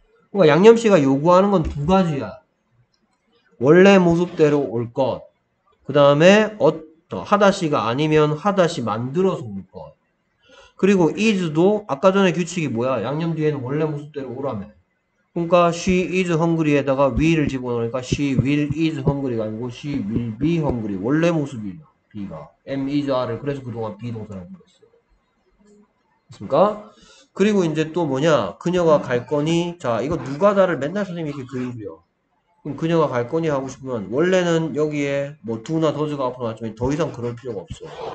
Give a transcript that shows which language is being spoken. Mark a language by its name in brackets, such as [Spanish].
[Korean] 그러니까 양념 씨가 요구하는 건두 가지야. 원래 모습대로 올 것. 그 다음에, 하다시가 아니면 하다시 만들어서 올 것. 그리고 is도 아까 전에 규칙이 뭐야? 양념 뒤에는 원래 모습대로 오라며. 그러니까 [English] she is hungry [Korean] 에다가 [English] will [Korean] 을 집어넣으니까 [English] she will is hungry [Korean] 가 아니고 [English] she will be hungry. [Korean] 원래 모습이야. be가. am is are를 그래서 그동안 be 동사라고 불렀어요. 됐습니까? 그리고 이제 또 뭐냐? 그녀가 갈 거니? 자, 이거 누가다를 맨날 선생님이 이렇게 그리고요. 그럼 그녀가 갈 거니 하고 싶으면 원래는 여기에 뭐 do나 does가 앞으로 나왔지만 더 이상 그럴 필요가 없어.